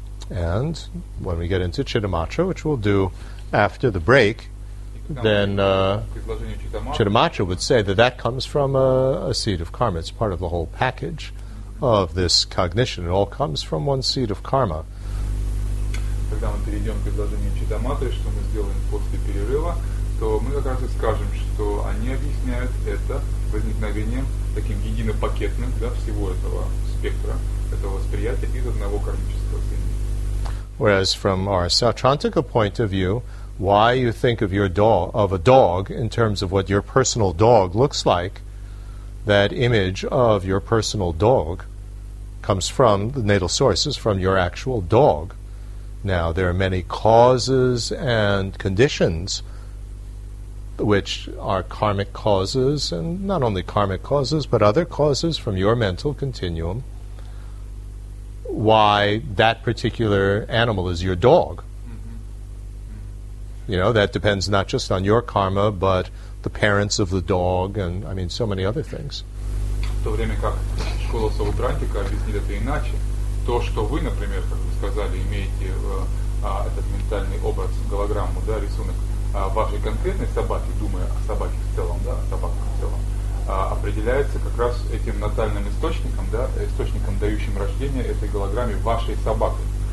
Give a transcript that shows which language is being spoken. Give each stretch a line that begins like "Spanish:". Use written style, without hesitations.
English: And when we get into Chittamatra, which we'll do after the break, then Chittamatra would say that that comes from a seed of karma. It's part of the whole package of this cognition. It all comes from one seed of karma.
Russian: Когда мы перейдем к изложению Читаматы, что мы сделаем после перерыва, то мы как раз и скажем, что они объясняют это возникновением таким единопакетным, да, всего этого спектра, этого восприятия из одного кармического семени.
English: Whereas from our Sautrantika point of view, why you think of your dog, of a dog in terms of what your personal dog looks like, that image of your personal dog comes from the natal sources, from your actual dog. Now, there are many causes and conditions which are karmic causes, and not only karmic causes, but other causes from your mental continuum, why that particular animal is your dog. Mm-hmm. You know, that depends not just on your karma, but the parents of the dog, and, I mean, so many other things.
Russian: В то время как школа Саутрантика объяснит это иначе, то, что вы, например, как вы сказали, имеете этот ментальный образ, голограмму, да, рисунок вашей конкретной собаки, думая о собаке в целом, да, о собаках в целом, определяется как раз этим натальным источником, да, источником, дающим рождение этой голограмме вашей собакой.